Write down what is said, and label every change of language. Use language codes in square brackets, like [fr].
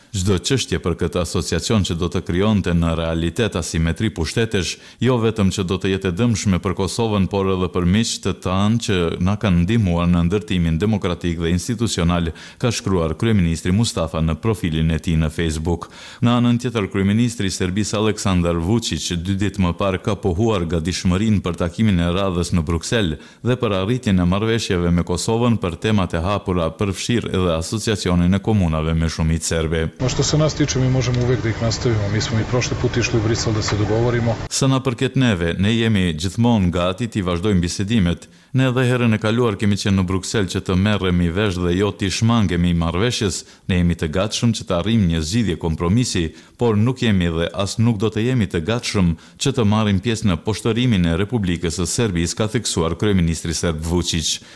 [sq] Çdo çështje për këtë asociacion që do të krijonte në realitet asimetri pushtetesh, jo vetëm që do të jetë dëmshme për Kosovën, por edhe për miqtë të tanë që na kanë ndihmuar në ndërtimin demokratik dhe institucional, ka shkruar kryeministri Mustafa në profilin e tij në Facebook. Në anën tjetër, kryeministri i Serbisë Aleksandar Vučić dy ditë më parë ka pohuar gatishmërinë për takimin e radhës në Bruksel dhe për arritjen e marrëveshjeve me Kosovën për temat e hapura, përfshir edhe asociacionin e komunave me shumicë serbe. [sr] Po što se nas tiče, mi možemo uvek da ih nastavimo. Mi smo i prošli put išli u Brisel da se dogovorimo. [sq] Sa na përket neve, ne jemi gjithmonë gati të vazhdojmë bisedimet. Ne edhe herën e kaluar kemi qenë në Bruksel që të merremi vesh dhe jo të shmangemi marrëveshjes. Ne jemi të gatshëm që të arrim një zgjidhje kompromisi, por nuk jemi dhe as nuk do të jemi të gatshëm që të marrim pjesë në poshtërimin e Republikës së Serbisë, ka theksuar kryeministri Serb Vučić.